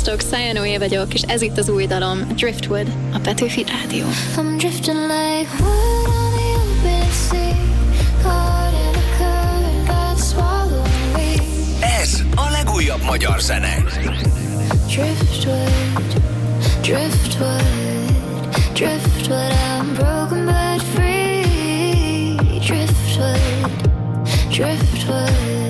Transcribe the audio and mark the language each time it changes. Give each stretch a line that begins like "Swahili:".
Hungarian: Cyanoia vagyok, és ez itt az új dalom, Driftwood, a Petőfi Rádió.
English: I'm drifting like wood on the open sea, caught in a current that's swallowing me.
Hungarian: Ez a legújabb magyar zene.
English: Driftwood, driftwood, driftwood, I'm broken but free. Driftwood, driftwood.